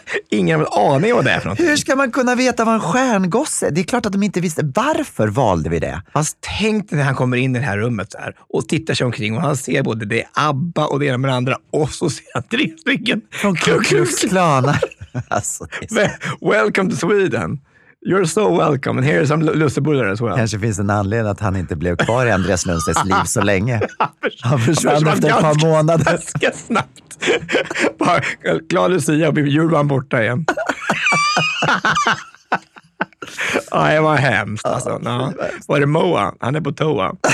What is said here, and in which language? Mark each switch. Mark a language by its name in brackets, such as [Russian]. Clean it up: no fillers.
[Swedish] Ingen har en aning om det är för någonting. Hur ska man kunna veta vad en stjärngosse är? Det är klart att de inte visste. Varför valde vi det? Fast tänk när han kommer in i det här rummet där och tittar sig omkring och han ser både det ABBA och det ena med det andra och så ser han tre stycken från Klux-klan. [English] Alltså, welcome to Sweden. You're so welcome. And here is some lussebullar as well. [Swedish] Kanske finns en anledning att han inte blev kvar i Andreas Lundstedts liv så länge. Han försvann efter ett par månader. Ganska snabbt. Bara glad Lucia och jul var borta igen. Ah, det var hemskt. Alltså. No. Var det Moa? Han är på toa.